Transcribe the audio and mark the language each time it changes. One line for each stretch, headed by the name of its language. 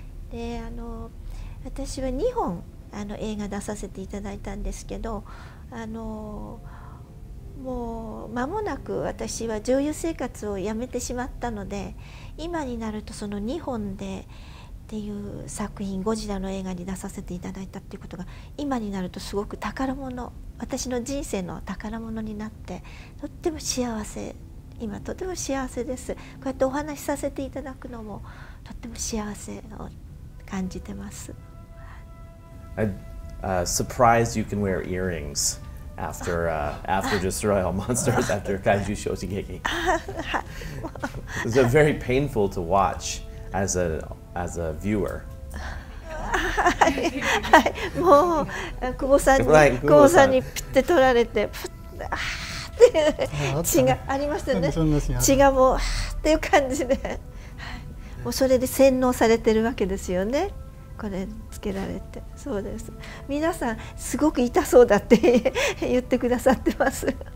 Japanese: で私は2本映画出させていただいたんですけど、もう間もなく私は女優生活をやめてしまったので、今になるとその2本でっていう作品ゴジラの映画に出させていただいたっていうことが今になるとすごく宝物、私の人生の宝物になってとっても幸せ、今とても幸せです。こうやってお話しさせていただくのもとっても幸せを感じてます。
English: I'm surprised you can wear earrings after, after Destroy All Monsters, after Kaiju Shoshigeki. It's very painful to watch as a viewer.
Japanese: もう久保さんに、久保さんにピッて取られて、ふっ、あーって血がありましたね。血がもう、っていう感じで。もうそれで洗脳されてるわけですよね。これつけられて、そうです。皆さんすごく痛そうだって言ってくださってます。